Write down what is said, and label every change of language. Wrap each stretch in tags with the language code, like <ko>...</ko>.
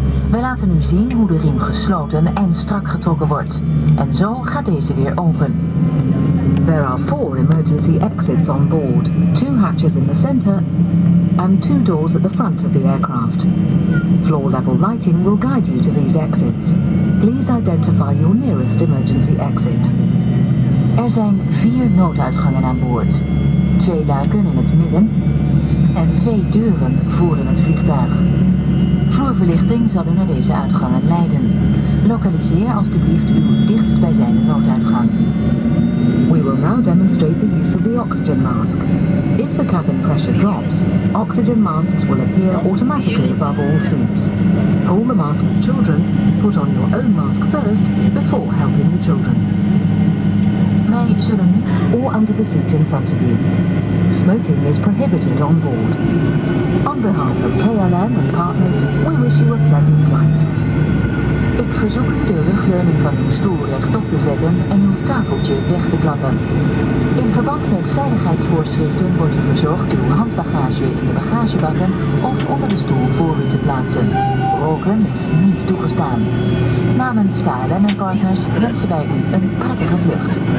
<nl>We laten u zien hoe de riem gesloten en strak getrokken wordt. En zo gaat deze weer open.</nl> <en>There are four emergency exits on board. Two hatches in the center and two doors at the front of the aircraft. Floor level lighting will guide you to these exits. Please identify your nearest emergency exit.</en> <nl>Er zijn vier nooduitgangen aan boord. Twee luiken in het midden en twee deuren voor in het vliegtuig. Vloerverlichting zal u naar deze uitgangen leiden. Lokaliseer alstublieft uw dichtstbijzijnde nooduitgang.</nl> <en>We will now demonstrate the use of the oxygen mask. If the cabin pressure drops, oxygen masks will appear automatically above all seats. Pull the mask for children, put on your own mask first, before helping the children. May, children, or under the seat in front of you. Smoking is prohibited on board. On behalf of KLM and partners, we wish you a pleasant flight.</en> <nl>Ik verzoek u de rugleuning van uw stoel rechtop te zetten en uw tafeltje weg te klappen. In verband met veiligheidsvoorschriften wordt u verzocht uw handbagage in de bagagebakken of onder de stoel voor u te plaatsen. Roken is niet toegestaan. Namens KLM en partners wensen wij u een prettige vlucht.</nl>